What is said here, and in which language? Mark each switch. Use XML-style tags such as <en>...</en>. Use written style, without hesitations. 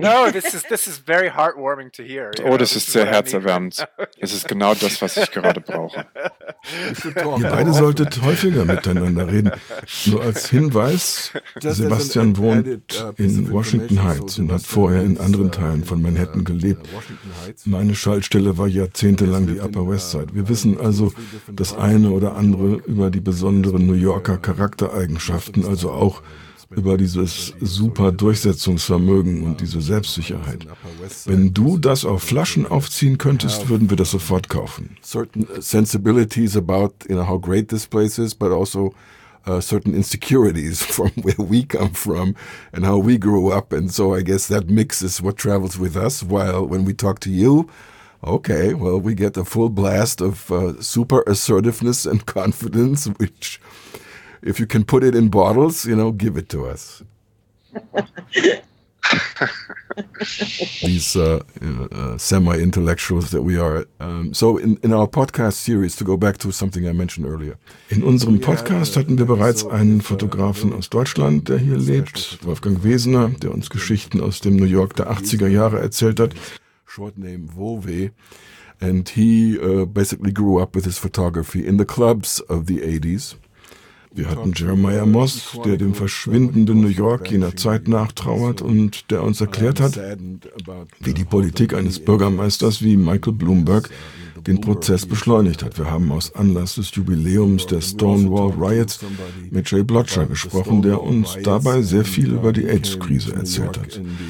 <en>No, this is very heartwarming to hear. Oh, know?</en> <de>Das ist sehr herzerwärmend. Es ist genau das, was ich gerade brauche. Ihr beide solltet häufiger miteinander reden. Nur als Hinweis, Sebastian wohnt in Washington Heights und hat vorher in anderen Teilen von Manhattan gelebt. Meine Schaltstelle war jahrzehntelang die Upper West Side. Wir wissen also das eine oder andere über die besonderen New Yorker Charaktereigenschaften, also auch über dieses super Durchsetzungsvermögen und diese Selbstsicherheit. Wenn du das auf Flaschen aufziehen könntest, würden wir das sofort kaufen.</de> <en>Certain sensibilities about, you know, how great this place is, but also certain insecurities from where we come from and how we grew up. And so I guess that mix is what travels with us, while when we talk to you, okay, well, we get a full blast of super assertiveness and confidence, which... If you can put it in bottles, you know, give it to us. These semi-intellectuals that we are. So in our podcast series, to go back to something I mentioned earlier.</en> <de>In unserem Podcast hatten wir bereits einen Fotografen aus Deutschland, der hier lebt, Wolfgang Wesener, der uns Geschichten aus dem New York der 80er Jahre erzählt hat.</de> <en>Short name Wove. And he basically grew up with his photography in the clubs of the 80s.</en> <de>Wir hatten Jeremiah Moss, der dem verschwindenden New York jener Zeit nachtrauert und der uns erklärt hat, wie die Politik eines Bürgermeisters wie Michael Bloomberg den Prozess beschleunigt hat. Wir haben aus Anlass des Jubiläums der Stonewall Riots mit Jay Blotcher gesprochen, der uns dabei sehr viel über die AIDS-Krise erzählt hat.</de>